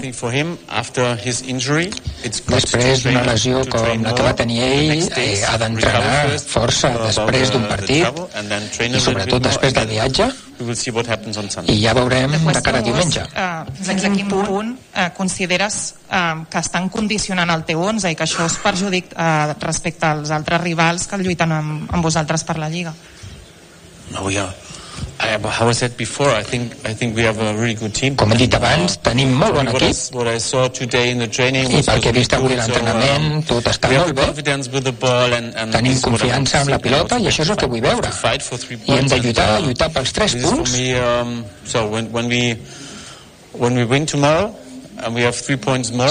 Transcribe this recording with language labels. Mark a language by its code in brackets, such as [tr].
[ca] Després d'una lesió com la que va tenir ell, ha d'entrenar força després d'un partit i sobretot després del viatge, i ja veurem de cara a diumenge. Fins a quin punt consideres que estan condicionant el teu 11 i que això és perjudic respecte als altres rivals que lluiten amb vosaltres per la Lliga? No, ja... [en] How I said before, I think we have a really good team. [ca] Com he dit abans, tenim molt bon equip. [en] What I saw today in the training, [ca] i pel que he vist avui l'entrenament, tot està molt bé. Tenim confiança amb la pilota i això és el que vull veure. I hem de lluitar pels 3 punts. [en] So when we win tomorrow and we have 3 points more,